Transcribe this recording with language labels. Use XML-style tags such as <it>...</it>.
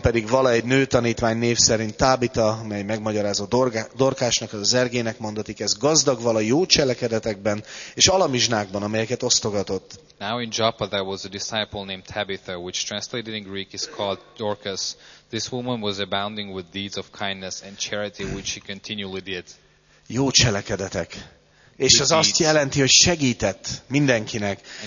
<hu>pedig vala egy nőtanítvány név szerint Tábita, mely megmagyarázó Dorkásnak, az Ergének mondatik, ez gazdag vala jó cselekedetekben és alamizsnákban, amelyeket osztogatott.</hu> <en>Now in Joppa there was a disciple named Tabitha, which translated in Greek is called Dorcas. This woman was abounding with deeds of kindness and charity, which she continually did.</en> <hu>Jó cselekedetek. És az azt jelenti, hogy segített mindenkinek.</hu>